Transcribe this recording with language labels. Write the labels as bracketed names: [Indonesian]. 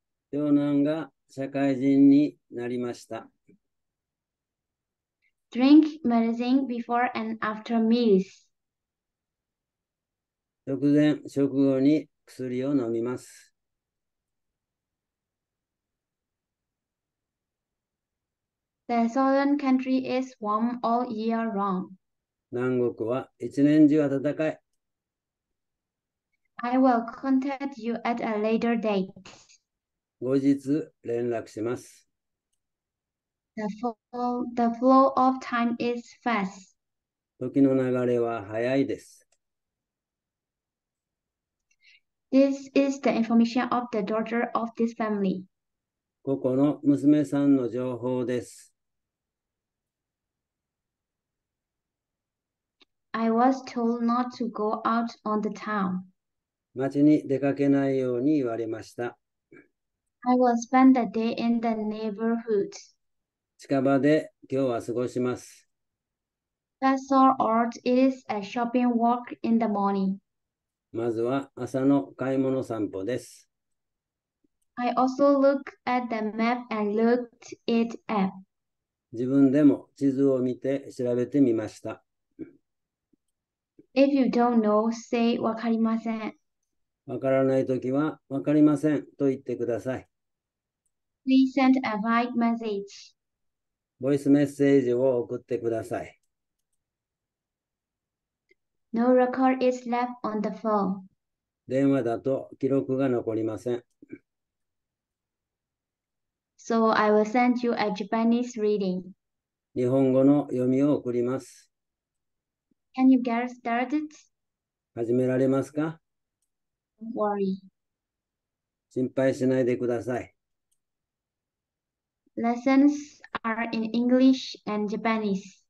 [Japanese] 長男が社会人になりました。 [English] Drink medicine before and after meals. [Japanese] 食前、食後に薬を飲みます。 [English] The southern country is warm all year round. [Japanese] 南国は一年中暖かい。 [English] I will contact you at a later date. [Japanese] 後日連絡します。 [English] The flow of time is fast. [Japanese] 時の流れは早いです。 [English] This is the information of the daughter of this family. [Japanese] ここの娘さんの情報です。 [English] I was told not to go out on the town. [Japanese] 街に出かけないように言われました。 [English] I will spend the day in the neighborhood. [Japanese] 近場で今日は過ごします。 [English] Bazaar art is a shopping walk in the morning. [Japanese] まずは朝の買い物散歩です。 [English] I also looked at the map and looked it up. [Japanese] 自分でも地図を見て調べてみました。 [English] If you don't know, say [Japanese] わかりません。わからないときはわかりませんと言ってください。 [English] Please send a voice message. [Japanese] ボイスメッセージを送ってください。 [English] No record is left on the phone. [Japanese] 電話だと記録が残りません。 [English] So I will send you a Japanese reading. [Japanese] 日本語の読みを送ります。 [English] Can you get started? [Japanese] 始められますか？ [English] Don't worry. [Japanese] 心配しないでください。 [English] Lessons are in English and Japanese.